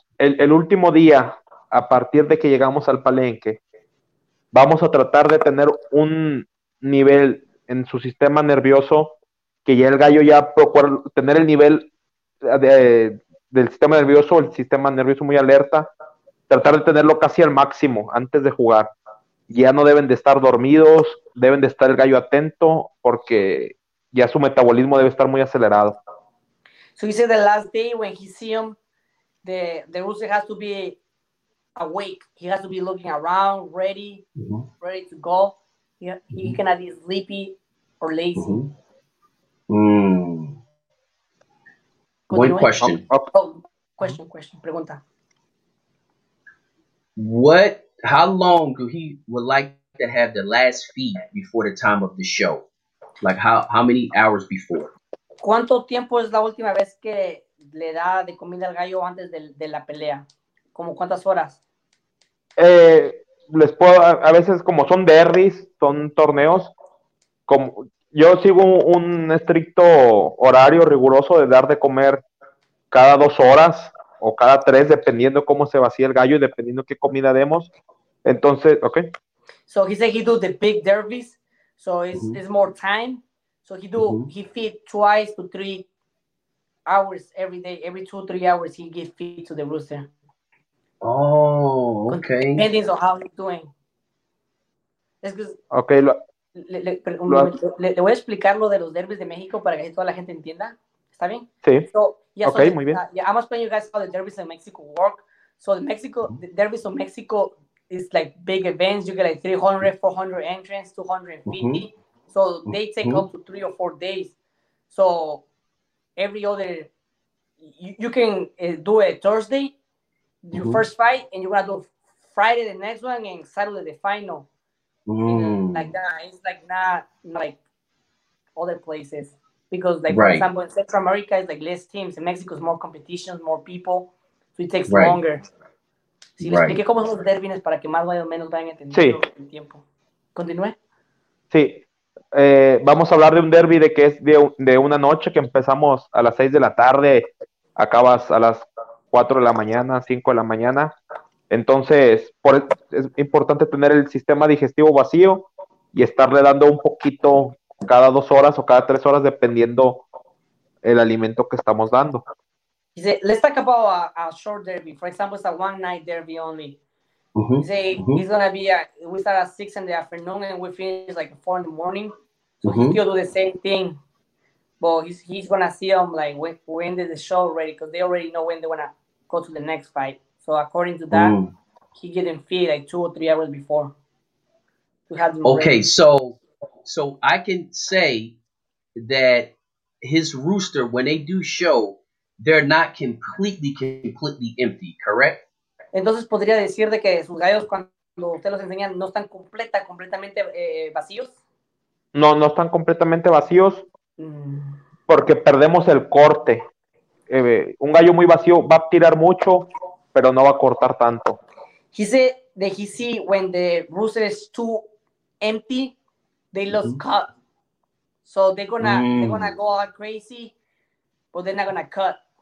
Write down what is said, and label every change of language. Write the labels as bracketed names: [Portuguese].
[Spanish] El último día, a partir de que llegamos al palenque, vamos a tratar de tener un nivel en su sistema nervioso que ya el gallo ya procura tener el nivel del sistema nervioso, el sistema nervioso muy alerta, tratar de tenerlo casi al máximo antes de jugar. Ya no deben de estar dormidos, deben de estar el gallo atento, porque ya su metabolismo debe estar muy acelerado. [English] So he said the last day when he see him, the rooster has to be awake. He has to be looking around, ready, ready to go. He cannot be sleepy or lazy. One question. Question. [Spanish] Pregunta. [English] How long do he would like to have the last feed before the time of the show? Like how many hours before? [Spanish] ¿Cuánto tiempo es la última vez que le da de comida al gallo antes de la pelea? ¿Como cuántas horas? Les puedo a veces como son derbis, son torneos, como yo sigo un estricto horario riguroso de dar de comer cada 2 horas o cada 3, dependiendo cómo se vacía el gallo y dependiendo qué comida demos. Entonces, ok. [English] So he said he do the big derbies, so it's, it's more time. So he do, he feed 2 to 3 hours every day. Every 2 to 3 hours he give feed to the rooster. Oh, okay. Depending on how he's doing. Ok, [Spanish] le voy a explicar lo de los derbis de México para que toda la gente entienda. ¿Está bien? Sí. [English] So, yeah, okay, so [Spanish] muy bien. [English] Yeah, I'm explaining you guys how the derbies in Mexico work. So the Mexico, the derbies of Mexico is like big events. You get like 300, 400 entrants, 250. So they take up to 3 or 4 days. So every other, you can do a Thursday, your first fight, and you're going to do Friday the next one and Saturday the final. Like that. It's like not like other places. Because, like, for example, in Central America, it's like less teams. In Mexico, it's more competitions, more people. So it takes longer. [Spanish] Si le expliqué cómo son los derbines para que más o menos vayan entendiendo el tiempo. ¿Continúe? Sí. Vamos a hablar de un derby de que es de una noche que empezamos a las 6 de la tarde, acabas a las 4 de la mañana, 5 de la mañana. Entonces, es importante tener el sistema digestivo vacío y estarle dando un poquito cada 2 horas o cada 3 horas, dependiendo el alimento que estamos dando. [English] He said, let's talk about a short derby. For example, it's a one-night derby only. Mm-hmm. He said, mm-hmm. He's going to be we start at 6 in the afternoon and we finish like 4 in the morning. So mm-hmm. He'll do the same thing. But he's going to see them like when did the show already, because they already know when they want to go to the next fight. So according to that, he getting feed like 2 or 3 hours before. To have them okay, ready. So I can say that his rooster, when they do show, they're not completely empty, correct? [Spanish] Entonces podría decir de que sus gallos cuando usted los enseña no están completamente vacíos. No están completamente vacíos porque perdemos el corte. Un gallo muy vacío va a tirar mucho, pero no va a cortar tanto. [English] He said that he see when the rooster is too empty, they lose cut. So they're gonna go all crazy, but they're not gonna cut.